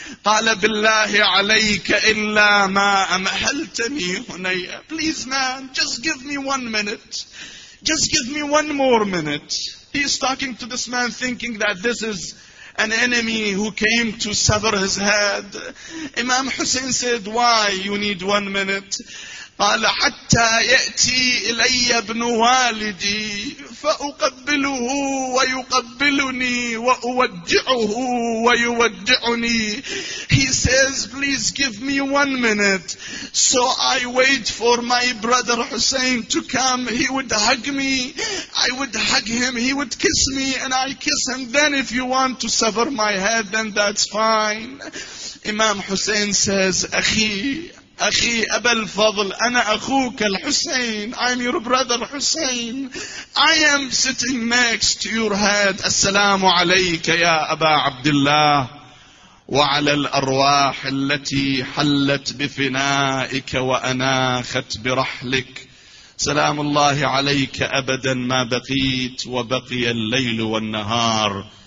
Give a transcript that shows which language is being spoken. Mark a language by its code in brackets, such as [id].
[ar] قَالَ بِاللَّهِ عَلَيْكَ إِلَّا مَا أَمْحَلْتَنِي هُنَيَّ. [en] Please man, just give me 1 minute. Just give me one more minute. He is talking to this man thinking that this is an enemy who came to sever his head. Imam Hussein said, why you need 1 minute? [ar] قال حتى يأتي إلي ابن والدي فأقبله ويقبلني وأودعه ويودعني. [en] He says, please give me 1 minute. So I wait for my brother Hussein to come. He would hug me. I would hug him. He would kiss me and I kiss him. Then if you want to sever my head, then that's fine. Imam Hussein says, [ar] أخي أبا الفضل أنا أخوك الحسين. [en] I'm your brother Hussein. I am sitting next to your head. [ar] السلام عليك يا أبا عبد الله وعلى الأرواح التي حلت بفنائك وأناخت برحلك. سلام الله عليك أبدا ما بقيت وبقي الليل والنهار.